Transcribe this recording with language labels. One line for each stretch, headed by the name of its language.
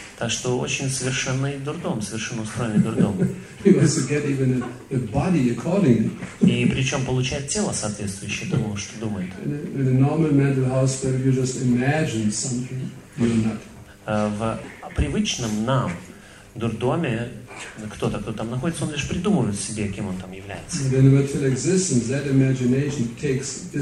Russian: Так что очень совершенный дурдом, совершенно устроенный дурдом.
English: He wants to get even a body accordingly.
Russian: И причем получает тело соответствующее тому, что думает.
English: In a normal mental hospital, you just imagine something you're not.
Russian: В привычном нам дурдоме кто-то, кто там находится, он лишь придумывает себе, кем он там является.